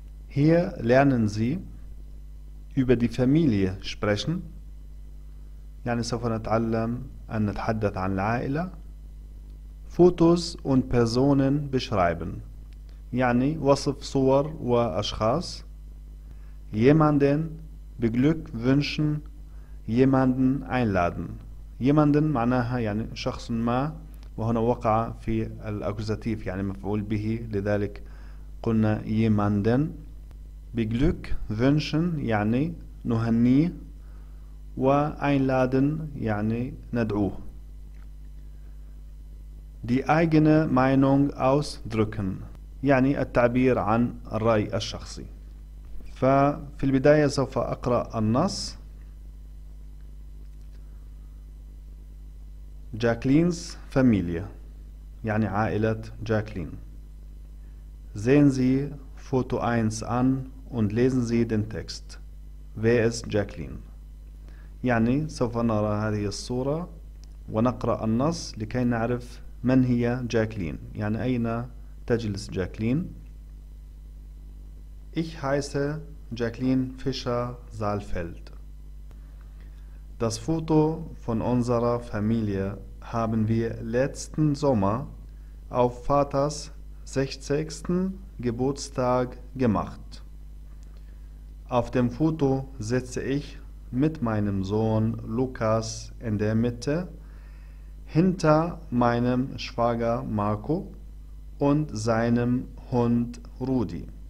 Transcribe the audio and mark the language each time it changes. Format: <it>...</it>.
<de>Hier lernen Sie über die Familie sprechen.</de> <ar>يعني سوف نتعلم أن نتحدث عن العائلة.</ar> <de>Fotos und Personen beschreiben.</de> <ar>يعني وصف صور وأشخاص.</ar> <de>Jemanden beglückwünschen, jemanden einladen.</de> <ar>Jemanden معناها يعني شخص ما، وهنا وقع في الأكوزاتيف يعني مفعول به، لذلك قلنا jemanden. بجلوك wünschen يعني نهنيه، و einladen يعني ندعوه.</ar> <de>Die eigene Meinung ausdrücken</de> <ar>يعني التعبير عن الرأي الشخصي. ففي البداية سوف أقرأ النص.</ar> <de>Jacqueline's Familie</de> <ar>يعني عائلة جاكلين.</ar> <de>Sehen Sie Foto 1 an und lesen Sie den Text. Wer ist Jacqueline?</de> <ar>يعني سوف نرى هذه الصورة ونقرأ النص لكي نعرف من هي جاكلين، يعني أين تجلس جاكلين.</ar> <de>Ich heiße Jacqueline Fischer-Saalfeld. Das Foto von unserer Familie haben wir letzten Sommer auf Vaters 60. Geburtstag gemacht. Auf dem Foto sitze ich mit meinem Sohn Lukas in der Mitte, hinter meinem Schwager Marco und seinem Hund Rudi.</de>